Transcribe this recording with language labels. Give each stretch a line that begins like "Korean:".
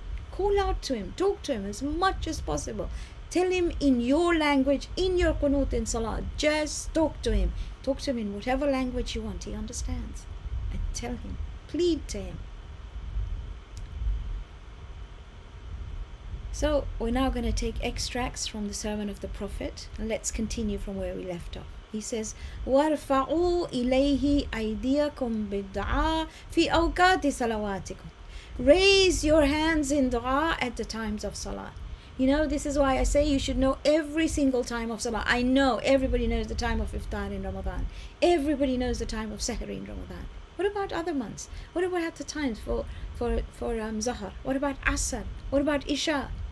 English: Call out to him, talk to him as much as possible. Tell him in your language, in your qunut in salat, just talk to him. Talk to him in whatever language you want, he understands. And tell him, plead to him. So we're now going to take extracts from the sermon of the Prophet, and let's continue from where we left off.
Arabic: He says, وَارْفَعُوا إِلَيْهِ أَيْدِيَكُمْ بِالدُّعَىٰ فِي أَوْقَاتِ صَلَوَاتِكُمْ.
English: Raise your hands in dua at the times of salah. You know, this is why I say you should know every single time of salah. I know everybody knows the time of iftar in Ramadan. Everybody knows the time of sahri in Ramadan. What about other months? What about the times for zahar? What about asr? What about isha?